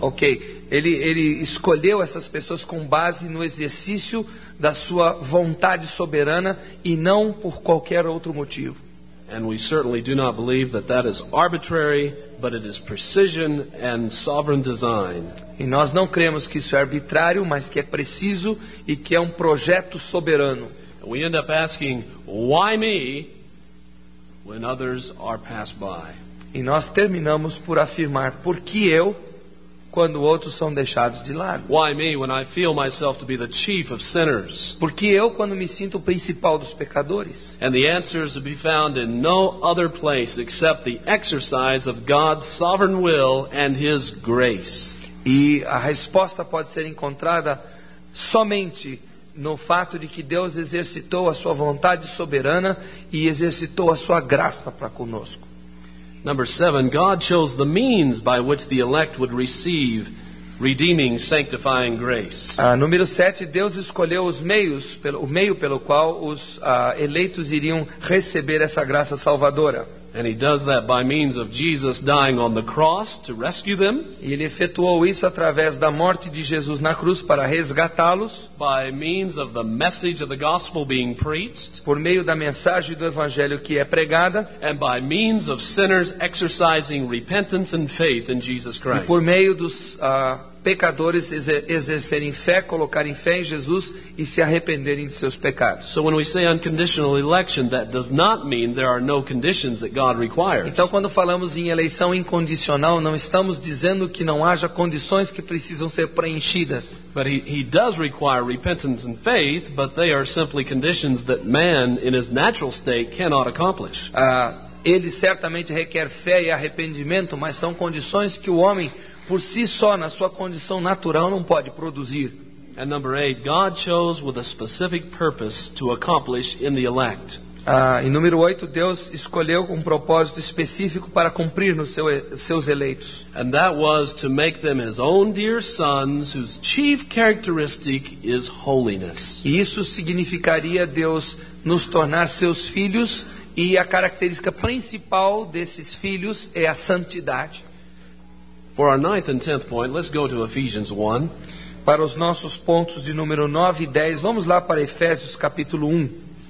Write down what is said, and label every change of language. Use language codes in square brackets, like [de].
[pt] Okay, ele escolheu essas pessoas com base no exercício da sua vontade soberana e não por qualquer outro motivo. [en] And we certainly do not believe that that is arbitrary, but it is precision and sovereign design. [pt] E nós não cremos que isso é arbitrário, mas que é preciso e que é um projeto soberano. [en] We end up asking, why me? When others are passed by. [pt] E nós terminamos por afirmar, por que eu, quando outros são deixados de lado? [en] Why me, when I feel myself to be the chief of sinners? [pt] Por que eu, quando me sinto o principal dos pecadores? [en] And the answer is to be found in no other place except the exercise of God's sovereign will and His grace. [pt] E a resposta pode ser encontrada somente no fato de que Deus exercitou a sua vontade soberana e exercitou a sua graça para conosco. [en] Number 7, God chose the means by which the elect would receive redeeming, sanctifying grace. [pt] Número 7, Deus escolheu o meio pelo qual os eleitos iriam receber essa graça salvadora. [en] And he does that by means of Jesus dying on the cross to rescue them. [pt] E ele efetuou isso através da morte de Jesus na cruz para resgatá-los. [en] By means of the message of the gospel being preached. [pt] Por meio da mensagem do evangelho que é pregada. [en] And by means of sinners exercising repentance and faith in Jesus Christ. [pt] E por meio dos pecadores exercerem fé, colocarem fé em Jesus e se arrependerem de seus pecados. [en] So when we say unconditional election, that does not mean there are no conditions that God requires. [pt] Então, quando falamos em eleição incondicional, não estamos dizendo que não haja condições que precisam ser preenchidas. [en] But he does require repentance and faith, but they are simply conditions that man in his natural state cannot accomplish. [pt] Ele certamente requer fé e arrependimento, mas são condições que o homem por si só, na sua condição natural, não pode produzir. [en] And number 8, God chose with a specific purpose to accomplish in the elect. [pt] Em número 8, Deus escolheu um propósito específico para cumprir nos seus eleitos. [en] And that was to make them his own dear sons, whose chief characteristic is holiness. [pt] E isso significaria Deus nos tornar seus filhos, e a característica principal desses filhos é a santidade. [en] For our ninth and tenth point, let's go to Ephesians 1. [pt] Para os nossos pontos de número 9 e 10, vamos lá para Efésios capítulo 1.